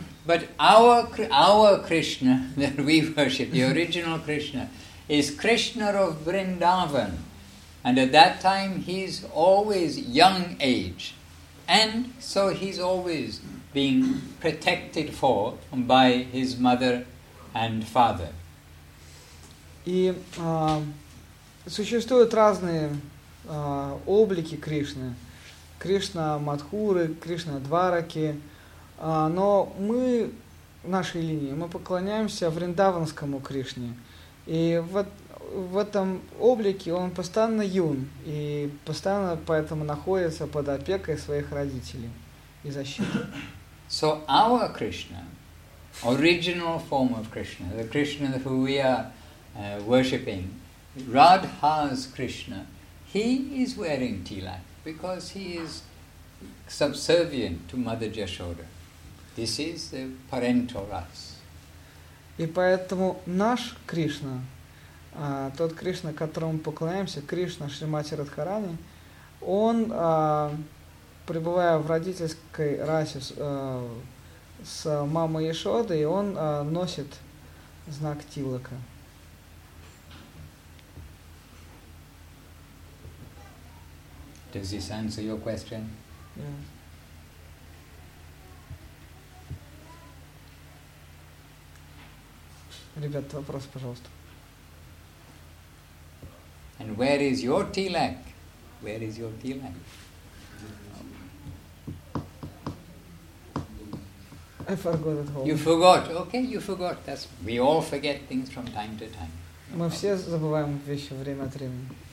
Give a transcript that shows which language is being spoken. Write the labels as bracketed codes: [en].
[en] But our Krishna that we worship, the original Krishna, is Krishna of Vrindavan. And at that time, he's always young age. And so he's always being protected for by his mother and father. [ru] И существуют разные облики Кришны. Кришна Мадхуры, Кришна Двараки. Но мы, в нашей линии, мы поклоняемся Вриндаванскому Кришне. И вот в этом облике он постоянно юн и постоянно поэтому находится под опекой своих родителей и защиты. [en] So our Krishna, original form of Krishna, the Krishna who we are worshipping, Radha's Krishna, he is wearing tilak because he is subservient to Mother Yashoda. This is the parental ras. [ru] И поэтому наш Кришна, тот Кришна, которому мы поклоняемся, Кришна Шримати Радхарани, он, пребывая в родительской расе с мамой Яшодой, он носит знак тилака. [en] Does this answer your question? Yes. [ru] Ребята, вопрос, пожалуйста. [en] And where is your tilak? Where is your tilak? I forgot at home. You forgot. Okay, you forgot. That's, we all forget things from time to time. [ru] Мы все забываем вещи время от времени.